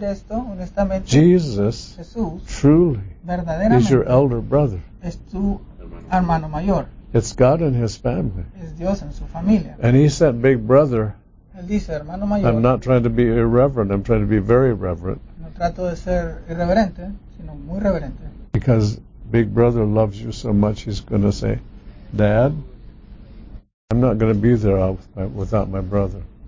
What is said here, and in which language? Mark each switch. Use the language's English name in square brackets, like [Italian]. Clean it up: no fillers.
[Spanish] esto, honestamente, [English] Jesus, [Spanish] Jesús, [English] truly, [Spanish] verdaderamente, [English] is your elder brother. [Spanish] Es tu hermano mayor. [English] It's God and his family. [Spanish] Es Dios en su familia. [English] And he said, big brother, [Spanish] él dice, hermano mayor, [English] I'm not trying to be irreverent, I'm trying to be very reverent. [Spanish] No trato de ser irreverente, sino muy reverente. [English] Because big brother loves you so much, he's going to say, Dad, I'm not going to be there without my brother.